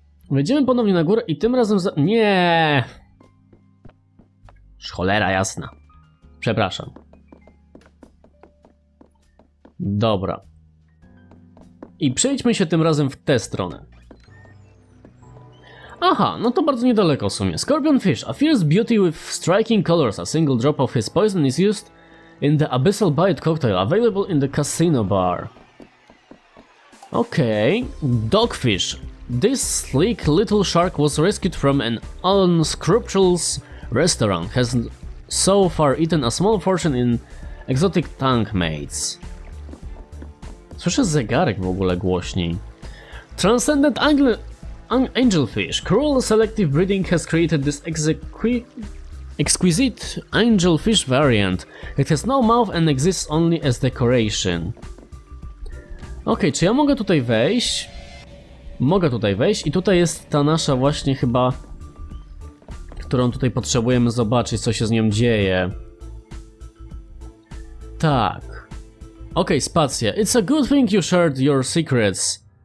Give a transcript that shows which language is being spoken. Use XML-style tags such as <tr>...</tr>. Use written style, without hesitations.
<pl>Wejdziemy ponownie na górę i tym razem za... Nie! Cholera jasna. Przepraszam. Dobra. I przejdźmy się tym razem w tę stronę. Aha, no to bardzo niedaleko w sumie.</pl> <en>Scorpion Fish, a fierce beauty with striking colors. A single drop of his poison is used in the Abyssal Bite cocktail, available in the casino bar. Okej. Dogfish. This sleek little shark was rescued from an unscrupulous restaurant. Has so far eaten a small fortune in exotic tank mates.</en> <pl>Słyszę zegarek w ogóle głośniej.</pl> <en>Transcendent Angler. Angelfish. Cruel selective breeding has created this exquisite angelfish variant. It has no mouth and exists only as decoration.</en> <pl>Okej, czy ja mogę tutaj wejść? Mogę tutaj wejść i tutaj jest ta nasza właśnie chyba, którą tutaj potrzebujemy zobaczyć, co się z nią dzieje. Tak. Okej, spacja.</pl> <en>It's a good thing you shared your secrets.</en>